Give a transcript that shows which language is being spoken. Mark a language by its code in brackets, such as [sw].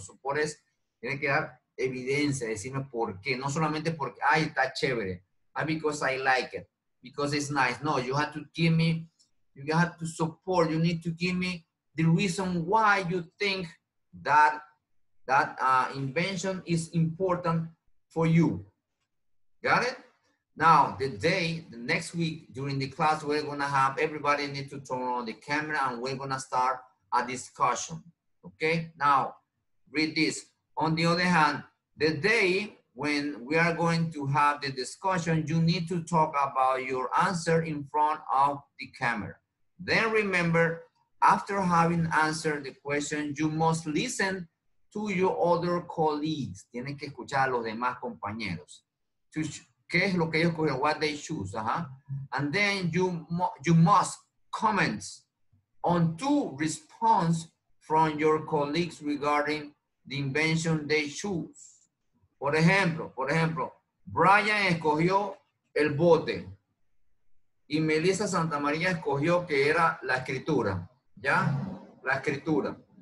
[es] Support es, tiene que dar evidencia, decirme por qué. No solamente porque, ay, está chévere. [en] Ah, because I like it. Because it's nice. No, you have to give me, you have to support. You need to give me the reason why you think that invention is important for you. Got it? Now, the day, the next week during the class, we're gonna have, everybody need to turn on the camera and we're gonna start a discussion, okay? Now, read this. On the other hand, the day when we are going to have the discussion, you need to talk about your answer in front of the camera. Then remember, after having answered the question, you must listen to your other colleagues. [es] Tienen que escuchar a los demás compañeros. ¿Qué es lo que ellos cogieron? [en] What they choose, uh-huh. And then you must comment on two response from your colleagues regarding the invention they choose. [es] Por ejemplo, Brian escogió el bote y Melissa Santa María escogió que era la escritura, ¿ya? La escritura.